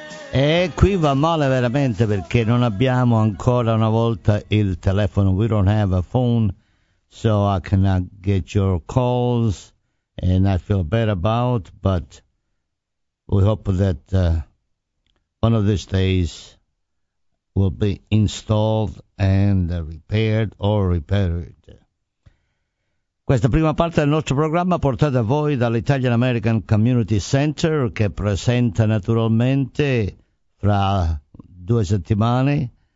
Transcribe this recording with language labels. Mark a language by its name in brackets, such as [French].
[Italian] E qui va male veramente, perché non abbiamo ancora una volta il telefono. [English] We don't have a phone, so I cannot get your calls, and I feel bad about, but we hope that one of these days will be installed and repaired or repaired. [Italian] Questa prima parte del nostro programma portata a voi dall'Italian American Community Center, che presenta naturalmente fra due settimane,